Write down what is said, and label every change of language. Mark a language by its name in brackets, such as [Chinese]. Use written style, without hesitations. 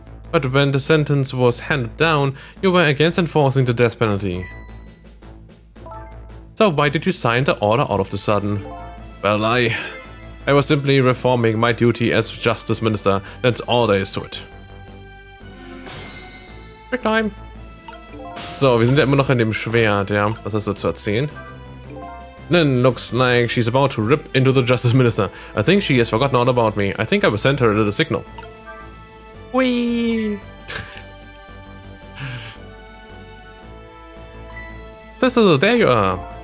[English] But when the sentence was handed down, you were against enforcing the death penalty. So why did you sign the order all of a sudden? Well, I was simply reforming my duty as Justice Minister, that's all there is to it. Quick time! [German] So, wir sind ja immer noch in dem Schwert, ja? Was hast du zu erzählen? [English] Then looks like she's about to rip into the Justice Minister. I think she has forgotten all about me. I think I will send her a little signal. Whee! Cecil, there you are!